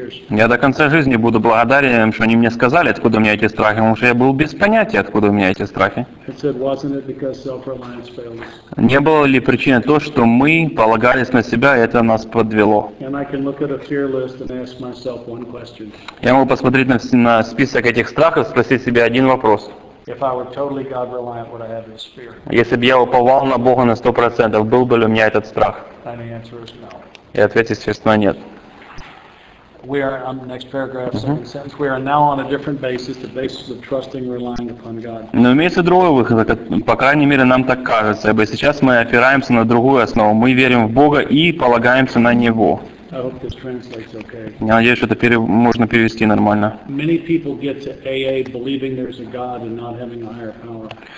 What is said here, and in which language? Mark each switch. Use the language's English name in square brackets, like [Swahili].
[Russian] Я до конца жизни буду благодарен им, что они мне сказали, откуда у меня эти страхи, потому что я был без понятия, откуда у меня эти страхи. Не было ли причины то, что мы полагались на себя, и это нас подвело? Я могу посмотреть на список этих страхов, спросить себя один вопрос. [English] If I were totally God reliant, would I have this fear? [Russian] Если бы я уповал на Бога на 100%, был бы ли у меня этот страх? [English] And the answer is no. [Russian] И ответ, естественно, нет. [English] We are on the next paragraph, second sentence. We are now on a different basis, the basis of trusting, relying upon God. [Russian] Но имеется другой выход, по крайней мере, нам так кажется, ибо сейчас мы опираемся на другую основу. Мы верим в Бога и полагаемся на Него. [English] I hope this translates okay. [Russian] Я надеюсь, что это можно перевести нормально. [English] Many people get to AA believing there's a God and not having a higher power.